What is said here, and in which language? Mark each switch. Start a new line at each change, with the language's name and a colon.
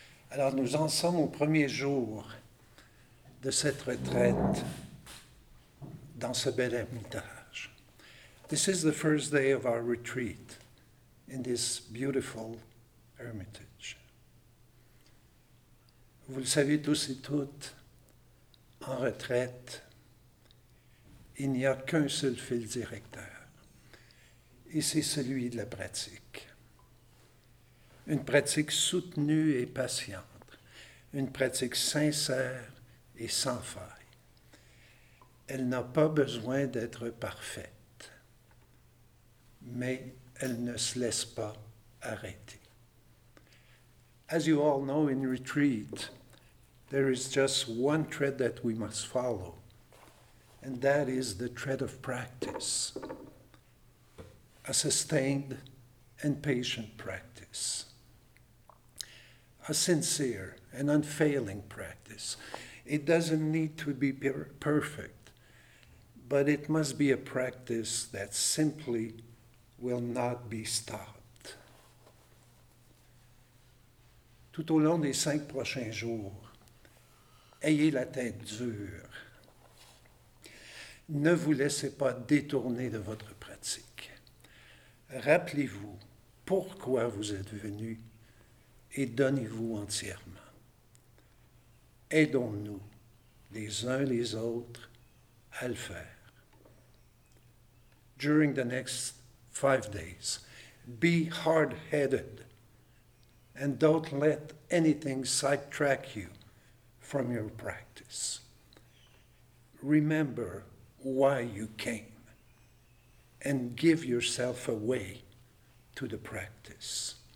French: Alors, nous en sommes au premier jour de cette retraite dans ce bel ermitage.
English: This is the first day of our retreat in this beautiful hermitage.
French: Vous le savez tous et toutes, en retraite, il n'y a qu'un seul fil directeur, et c'est celui de la pratique. Une pratique soutenue et patiente. Une pratique sincère et sans faille. Elle n'a pas besoin d'être parfaite, mais elle ne se laisse pas arrêter.
English: As you all know, in retreat, there is just one thread that we must follow, and that is the thread of practice, a sustained and patient practice. A sincere and unfailing practice. It doesn't need to be perfect, but it must be a practice that simply will not be stopped.
French: Tout au long des cinq prochains jours, ayez la tête dure. Ne vous laissez pas détourner de votre pratique. Rappelez-vous pourquoi vous êtes venu. Et donnez-vous entièrement. Aidons-nous les uns les autres à le faire.
English: During the next 5 days, be hard-headed and don't let anything sidetrack you from your practice. Remember why you came and give yourself away to the practice.